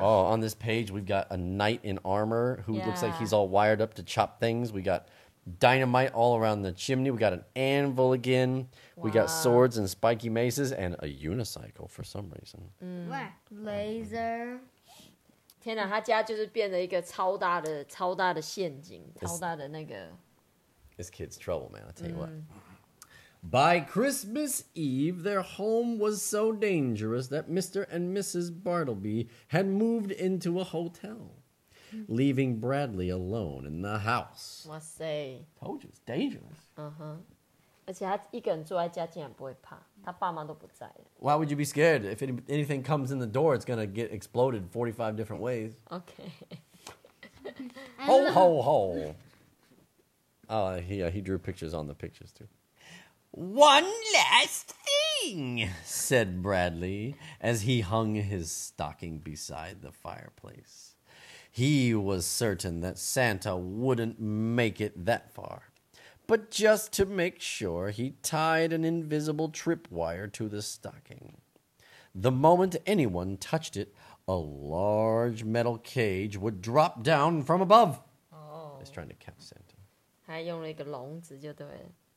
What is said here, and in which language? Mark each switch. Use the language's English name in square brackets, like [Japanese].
[English] Oh, on this page, we've got a knight in armor who looks like he's all wired up to chop things. We got dynamite all around the chimney. We got an anvil again. Wow. We got swords and spiky maces and a unicycle for some reason. Laser... [Chinese] 天哪,他家就是变了一个超大的陷阱,超大的那个... [English] This kid's trouble, man, I'll tell you what. By Christmas Eve, their home was so dangerous that Mr. and Mrs. Bartleby had moved into a hotel, leaving Bradley alone in the house. What say? Told you, it's dangerous. Uh-huh. [Chinese] 而且他一个人住在家竟然不会怕。 [English] Why would you be scared? If anything comes in the door, it's going to get exploded 45 different ways. Okay. Ho, ho, ho. He drew pictures on the pictures, too. One last thing, said Bradley, as he hung his stocking beside the fireplace. He was certain that Santa wouldn't make it that far. But just to make sure, he tied an invisible tripwire to the stocking. The moment anyone touched it, a large metal cage would drop down from above. Oh. He's trying to catch Santa. [Chinese] 还用了一个笼子就对了。